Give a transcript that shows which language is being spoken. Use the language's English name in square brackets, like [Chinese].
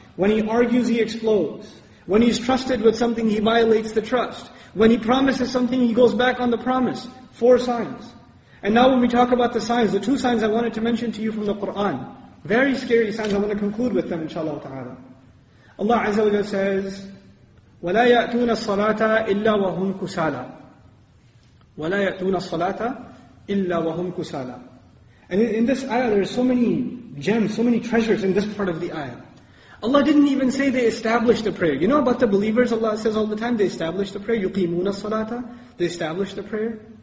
[English] When he argues, he explodes. When he's trusted with something, he violates the trust. When he promises something, he goes back on the promise. Four signs. And now when we talk about the signs, the two signs I wanted to mention to you from the Qur'an, very scary signs, I want to conclude with them, inshaAllah ta'ala. Allah Azza wa Jalla says, [Arabic] وَلَا يَأْتُونَ الصَّلَاةَ إِلَّا وَهُمْ كُسَالَى. وَلَا يَأْتُونَ الصَّلَاةَ إِلَّا وَهُمْ كُسَالَى. [English] And in this ayah, there are so many gems, so many treasures in this part of the ayah. Allah didn't even say they established the prayer. You know about the believers, Allah says all the time, they established the prayer. [Arabic] يُقِيمُونَ الصَّلَاةَ. [English] They established the prayer.